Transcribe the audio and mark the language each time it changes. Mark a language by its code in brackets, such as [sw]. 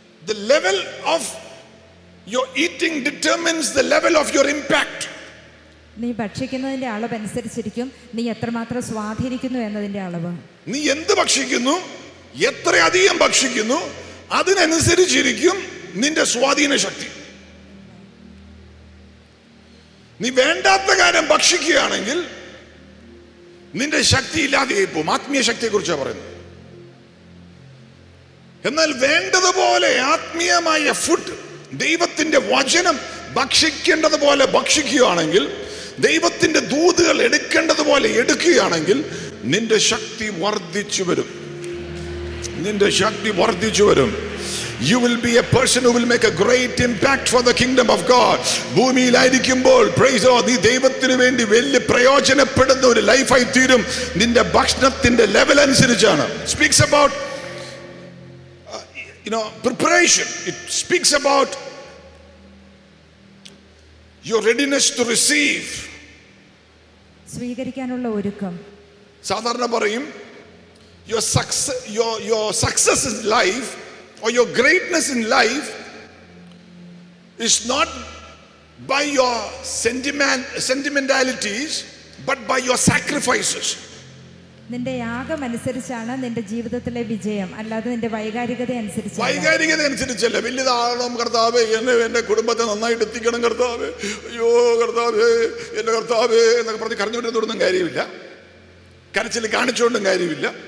[en] The level of your eating determines the level of your impact. [ml] നീ ഭക്ഷിക്കുന്നതിന്റെ അളവ് അനുസരിച്ചിരിക്കും നീ എത്രമാത്രം സ്വാധീനിക്കുന്നു എന്നതിന്റെ അളവ്. നീ എന്ത് ഭക്ഷിക്കുന്നു എത്രയധികം ഭക്ഷിക്കുന്നു അതിനനുസരിച്ചിരിക്കും നിന്റെ സ്വാധീന ശക്തി. നീ വേണ്ടാത്ത കാര്യം ഭക്ഷിക്കുകയാണെങ്കിൽ നിന്റെ ശക്തി ഇല്ലാതെ പോകും. ആത്മീയ ശക്തിയെ കുറിച്ചാണ് പറയുന്നത്. എന്നാൽ വേണ്ടതുപോലെ ആത്മീയമായ ഫുഡ്, ദൈവത്തിന്റെ വചനം ഭക്ഷിക്കേണ്ടതുപോലെ ഭക്ഷിക്കുകയാണെങ്കിൽ, ദൈവത്തിന്റെ ദൂതുകൾ എടുക്കേണ്ടതുപോലെ എടുക്കുകയാണെങ്കിൽ നിന്റെ ശക്തി വർദ്ധിച്ചു വരും. നിന്റെ ശക്തി വർദ്ധിച്ചു വരും. [en] You will be a person who will make a great impact for the kingdom of God. [ml] ഭൂമിയിൽ ആയിരിക്കുമ്പോൾ പ്രൈസ് ഓഫ് ദി ദൈവത്തിനു വേണ്ടി വലിയ പ്രയോജനപ്പെടുന്ന ഒരു ലൈഫ് ആയി തീരും. നിന്റെ ഭക്ഷണത്തിന്റെ ലെവൽ അനുസരിച്ചാണ്. [en] Speaks about you know preparation. It speaks about your readiness to receive. [ml] സ്വീകരിക്കാനുള്ള ഒരുക്കം. സാധാരണ പറയും [en] your success in life or your greatness in life is not by your sentimentalities but by your sacrifices. [ml] നിന്റെ യാഗം അനുസരിച്ചാണ് നിന്റെ ജീവിതത്തിലെ വിജയം, അല്ലാതെ നിന്റെ വൈകാരികത അനുസരിച്ച്. വൈകാരികത അനുസരിച്ചല്ല. വലിയതാകണം കർത്താവേ, എന്നെ എന്റെ കുടുംബത്തെ നന്നായിട്ട് എത്തിക്കണം കർത്താവേ, അയ്യോ കർത്താവേ എന്റെ കർത്താവേ എന്നൊക്കെ പറഞ്ഞ് കരഞ്ഞുകൊണ്ടിരുന്നൊന്നും കാര്യമില്ല, കരച്ചിൽ കാണിച്ചുകൊണ്ടും കാര്യമില്ല.